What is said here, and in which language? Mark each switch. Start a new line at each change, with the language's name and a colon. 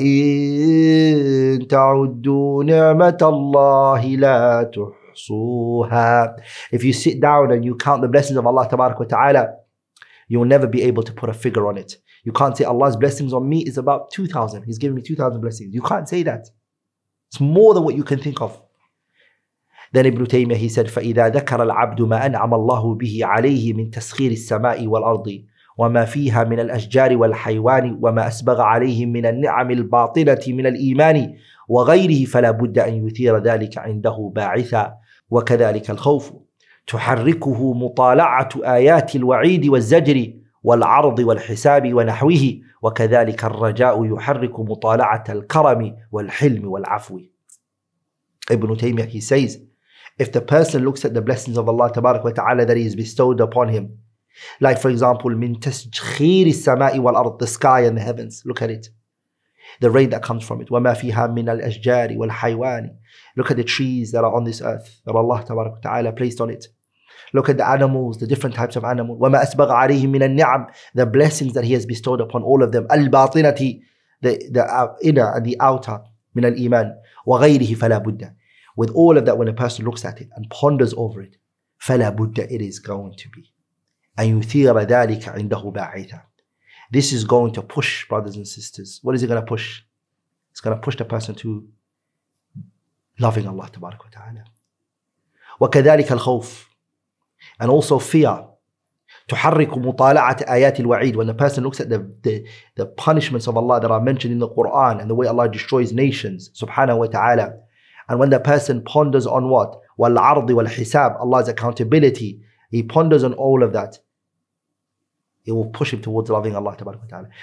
Arabic: وَإِن تَعُدُّوا نِعْمَةَ اللَّهِ لَا تُحْصُوهَا.
English: If you sit down and you count the blessings of Allah
Arabic: tabarak wa ta'ala,
English: you'll never be able to put a figure on it. You can't say Allah's blessings on me is about 2,000. He's given me 2,000 blessings. You can't say that. It's more than what you can think of. Then Ibn Taymiyyah, he said,
Arabic: فَإِذَا ذَكَرَ الْعَبْدُ مَا أَنْعَمَ اللَّهُ بِهِ عَلَيْهِ مِنْ تَسْخِيرِ السَّمَاءِ وَالْأَرْضِ وما فيها من الأشجار والحيوان وما أسبغ عليهم من النعم الباطنة من الإيمان وغيره فلا بد أن يثير ذلك عنده باعثا وكذلك الخوف تحركه مطالعة آيات الوعيد والزجر والعرض والحساب ونحوه وكذلك الرجاء يحرك مطالعة الكرم والحلم والعفو.
English: ابن تيمية he says, if the person looks at the blessings of Allah
Arabic: تبارك وتعالى
English: that he has bestowed upon him, like for example,
Arabic: من تسخير السماء والأرض,
English: the sky and the heavens, look at it. The rain that comes from it.
Arabic: وما فيها من الأشجار والحيوان.
English: Look at the trees that are on this earth that Allah
Arabic: تبارك وتعالى
English: placed on it. Look at the animals, the different types of animals.
Arabic: وما أسبغ عليهم من النعم,
English: the blessings that he has bestowed upon all of them.
Arabic: الباطنة,
English: the inner and the outer,
Arabic: من الإيمان. وغيره فلا بد.
English: With all of that, when a person looks at it and ponders over it,
Arabic: فلا بد,
English: it is going to be.
Arabic: أن يثير ذلك عنده باعثا.
English: This is going to push, brothers and sisters. What is it going to push? It's going to push the person to loving Allah
Arabic: تبارك وتعالى. وكذلك الخوف.
English: And also fear.
Arabic: تحرك مطالعة آيات الوعيد.
English: When the person looks at the punishments of Allah that are mentioned in the Qur'an and the way Allah destroys nations,
Arabic: سبحانه وتعالى.
English: And when the person ponders on what?
Arabic: والعرض والحساب,
English: Allah's accountability. He ponders on all of that. It will push him towards loving Allah
Arabic: tabarak wa ta'ala.